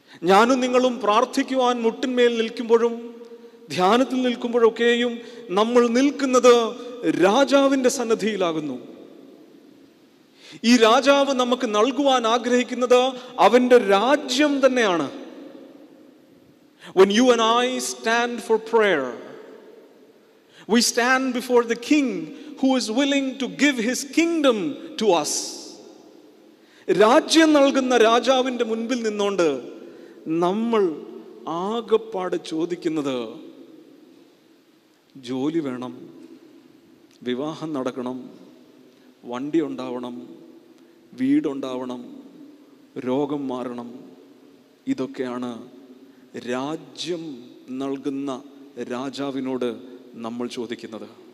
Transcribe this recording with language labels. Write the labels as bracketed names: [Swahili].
[Malayalam] ഞാനും നിങ്ങളും പ്രാർത്ഥിക്കുവാൻ മുട്ടിന്മേൽ നിൽക്കുമ്പോഴും ധ്യാനത്തിൽ നിൽക്കുമ്പോഴൊക്കെയും നമ്മൾ നിൽക്കുന്നത് രാജാവിൻ്റെ സന്നിധിയിലാകുന്നു. ഈ രാജാവ് നമുക്ക് നൽകുവാൻ ആഗ്രഹിക്കുന്നത് അവൻ്റെ രാജ്യം തന്നെയാണ്. [English] When you and I stand for prayer, we stand before the king who is willing to give his kingdom to us. [Malayalam] രാജ്യം നൽകുന്ന രാജാവിൻ്റെ മുൻപിൽ നിന്നുകൊണ്ട് നമ്മൾ ആകപ്പാട് ചോദിക്കുന്നത് ജോലി വേണം, വിവാഹം നടക്കണം, വണ്ടി ഉണ്ടാവണം, വീടുണ്ടാവണം, രോഗം മാറണം, ഇതൊക്കെയാണ് രാജ്യം നൽകുന്ന രാജാവിനോട് നമ്മൾ ചോദിക്കുന്നത്.